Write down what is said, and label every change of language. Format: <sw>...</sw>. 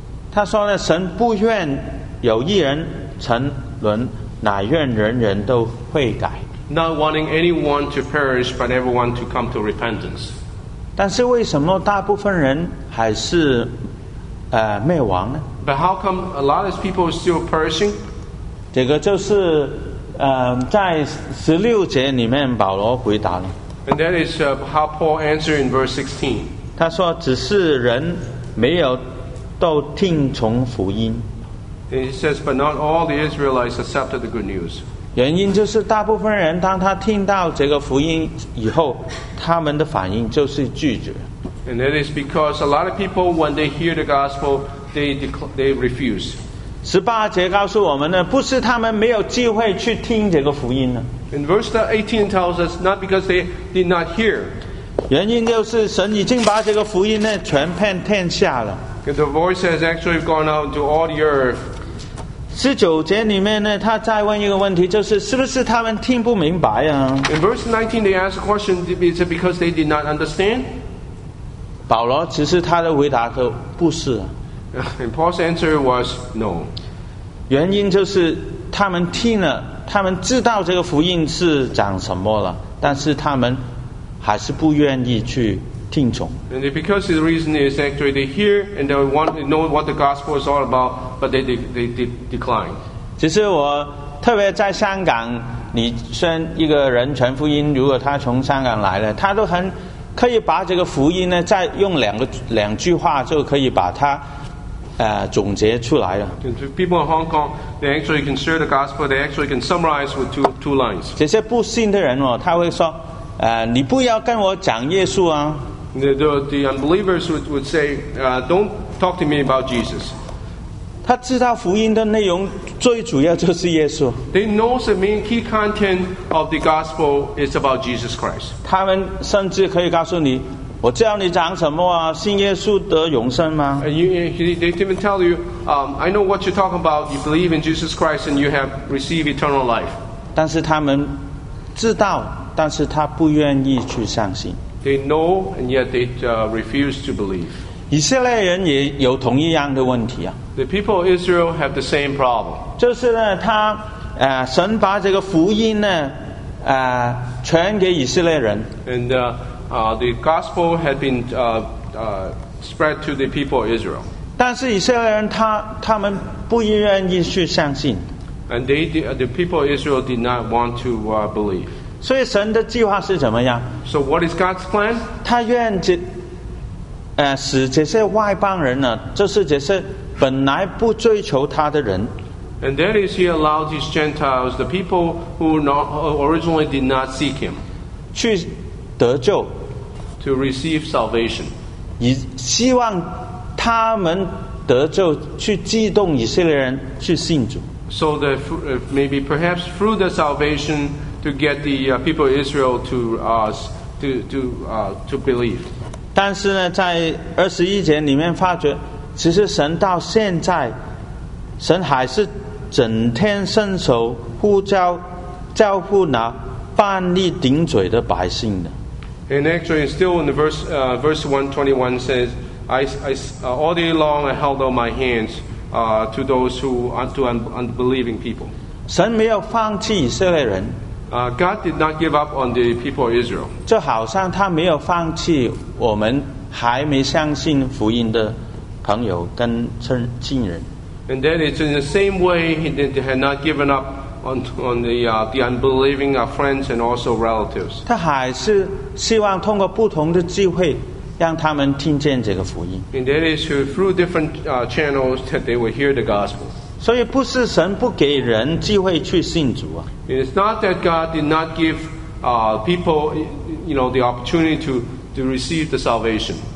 <zh>他说呢，神不愿有一人沉沦，乃愿人人都悔改。</zh> <en>Not wanting anyone to perish, but everyone to come to repentance.</en> <zh>但是为什么大部分人还是灭亡呢？</zh> <en>But how come a lot of people are still perishing?</en> <zh>这个就是在十六节里面保罗回答了。</zh> <en>And that is how Paul answered in verse 16.</en> <zh>他说只是人没有都听从福音。</zh> <en>He says, but not all the Israelites accepted the good news.</en> <zh>原因就是大部分人当他听到这个福音以后，他们的反应就是拒绝。</zh> <en>And that is because a lot of people, when they hear the gospel, they refuse.</en> <zh>十八节告诉我们呢，不是他们没有机会去听这个福音呢。</zh> <en>And verse 18 tells us not because they did not hear.</en> <zh>原因就是神已经把这个福音呢传遍天下了。</zh> <en>The voice has actually gone out to all the earth.</en> <zh>十九节里面呢，他再问一个问题，就是是不是他们听不明白啊</zh> <en>？In verse 19, they ask a question: Is it because they did not understand?</en> <zh>保罗其实他的回答都不是。</zh> <en>And Paul's answer was no.</en> <zh>原因就是他们听了，他们知道这个福音是讲什么了，但是他们还是不愿意去听从。</zh> <en>And because the reason is actually they hear and they want to know what the gospel is all about. But they declined.</en> <zh>其实我特别在香港，你宣一个人传福音，如果他从香港来了，他都很可以把这个福音呢，再用两句话就可以把它总结出来了。</zh> <en>People in Hong Kong, they actually can share the gospel. They actually can summarize with two lines.</en> <zh>这些不信的人哦，他会说，你不要跟我讲耶稣啊。</zh> <en>The unbelievers would say, don't talk to me about Jesus.</en> <zh>他知道福音的内容最主要就是耶稣。</zh> <en>They know the main key content of the gospel is about Jesus Christ.</en> <zh>他们甚至可以告诉你，我教你讲什么啊？信耶稣得永生吗</zh> <en>？They even tell you, I know what you're talking about. You believe in Jesus Christ and you have received eternal life.</en> <zh>但是他们知道，但是他不愿意去相信。</zh> <en>They know and yet they refuse to believe.</en> <zh>以色列人也有同一样的问题啊。</zh> <en>The people of Israel have the same problem.</en> <zh>就是呢，他神把这个福音呢传给以色列人。</zh> <en>And the gospel had been spread to the people of Israel.</en> <zh>但是以色列人他们不愿意去相信。</zh> <en>And the people of Israel did not want to believe.</en> <zh>所以神的计划是怎么样</zh> <en>？So what is God's plan?</en> <zh>他愿这使这些外邦人呢，就是这些本来不追求他的人。</zh> <en>And that is he allowed these Gentiles, the people who originally did not seek him,</en> <zh>去得救</zh> <en>，to receive salvation,</en> <zh>以希望他们得救，去激动以色列人去信主。</zh> <en>So that maybe perhaps through the salvation to get the people of Israel to believe.</en> <zh>但是呢，在二十一节里面发觉，其实神到现在，神还是整天伸手呼召、召呼那叛逆顶嘴的百姓的。</zh> <en>And actually, still in the verse 121 says, all day long I held out my hands to those who to unbelieving people.</en> <zh>神没有放弃以色列人。</zh> <en>God did not give up on the people of Israel.</en> <zh>这好像他没有放弃我们还没相信福音的朋友跟亲人。</zh> <en>And then it's in the same way he did, had not given up on the unbelieving friends and also relatives.</en> <zh>他还是希望通过不同的机会让他们听见这个福音。</zh> <en>And that is through different channels that they will hear the gospel.</en> <zh>所以不是神不给人机会去信主啊。</zh> <en>It's not that God did not give people, you know, the opportunity to receive the salvation.</en>